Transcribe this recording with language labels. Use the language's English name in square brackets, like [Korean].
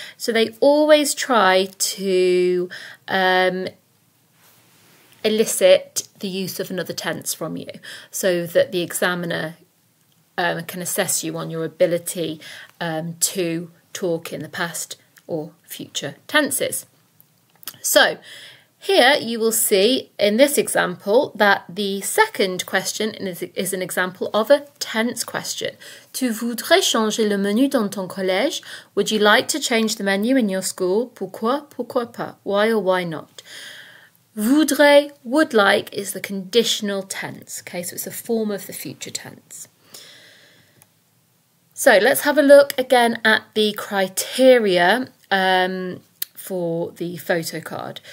[English] So they always try to elicit the use of another tense from you so that the examiner can assess you on your ability to talk in the past or future tenses. So here you will see in this example that the second question is an example of a tense question. [French] Tu voudrais changer le menu dans ton collège? [English] Would you like to change the menu in your school? [French] Pourquoi? Pourquoi pas? [English] Why or why not? Voudrais, would like, [French] is the conditional tense. [English] Okay, so it's a form of the future tense. So let's have a look again at the criteria for the photocard.